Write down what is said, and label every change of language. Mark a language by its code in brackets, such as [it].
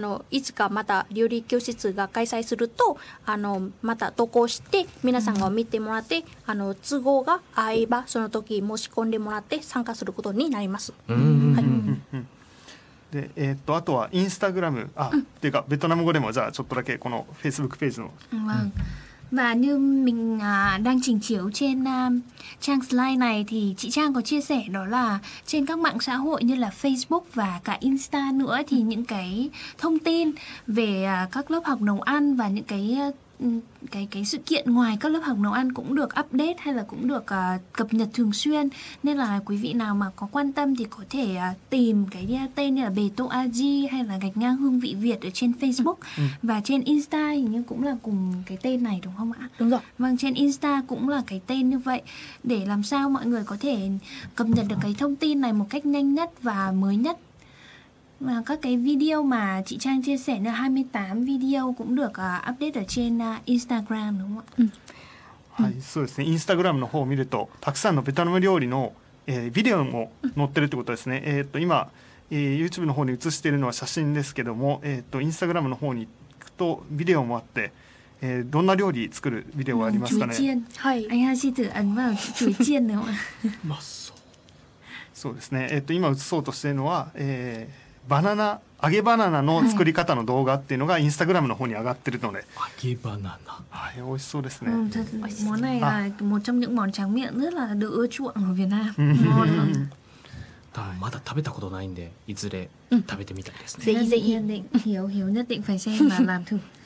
[ja] いつかまた料理教室が開催するとまた投稿して皆さんが見てもらって、都合が合えばその時申し込んでもらって参加することになります。で、あとはインスタグラム、あ、っていうかベトナム語でもじゃあちょっとだけこのフェイスブックページの、 [vi] Và như mình đang trình chiếu trên trang slide này thì chị Trang có chia sẻ đó là trên các mạng xã hội như là Facebook và cả Insta nữa thì những cái thông tin về các lớp học nấu ăn và những cái sự kiện ngoài các lớp học nấu ăn cũng được update hay là cũng được cập nhật thường xuyên. Nên là quý vị nào mà có quan tâm thì có thể tìm cái tên như là Beto Aji hay là gạch ngang hương vị Việt ở trên Facebook và trên Insta hình như cũng là cùng cái tên này đúng không ạ? Đúng rồi. Vâng, trên Insta cũng là cái tên như vậy để làm sao mọi người có thể cập nhật được cái thông tin này một cách nhanh nhất và mới nhất. Và các cái video mà chị Trang chia sẻ là 28 video cũng được update ở trên Instagram đúng không ạ? [ja] はい、そうですね。 Instagram の方を見るとたくさんのベトナム料理の、ビデオも載ってるってことですね。今、YouTube の方に映しているのは写真ですけども、Instagram の方に行くとビデオもあって、どんな料理作るビデオがありますかね？はい。怪しいと、あ、まあ、チュイチェンの。まっそう。そうですね。今映そうとしているのは、バナナ揚げバナナの作り方の動画っていうのがインスタグラムの方に上がってるので、はい、揚げバナナ、はい、美味しそうですね。もうね、もう [vi] trong những món tráng miệng rất là được ưa chuộng ở Việt Nam。 [ja] 多分まだ食べたことないんで、いずれ食べてみたいですね。ぜひぜひ、 [vi] hiểu nhất định phải xem và làm thử。